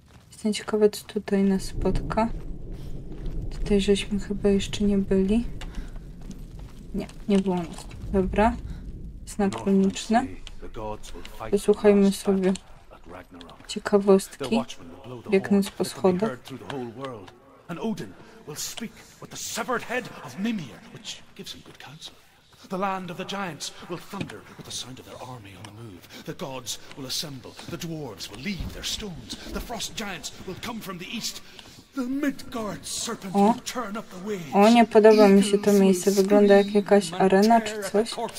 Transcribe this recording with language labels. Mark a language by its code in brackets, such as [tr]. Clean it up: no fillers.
[pl] Jestem ciekawa, co tutaj nas spotka. Tutaj żeśmy chyba jeszcze nie byli. Nie, nie było nic. Dobra. Znak runiczny. Posłuchajmy sobie ciekawostki. Jak nas po schodach. [en] And Odin will speak with the severed head of Mimir, which gives him good counsel. The land of the giants will thunder with the sound of their army on the move. The gods will assemble. The dwarves will leave their stones. The frost giants will come from the east. The Midgard serpent will turn up the waves. [pl] O, nie podoba mi się to miejsce. Wygląda jak jakaś arena czy coś.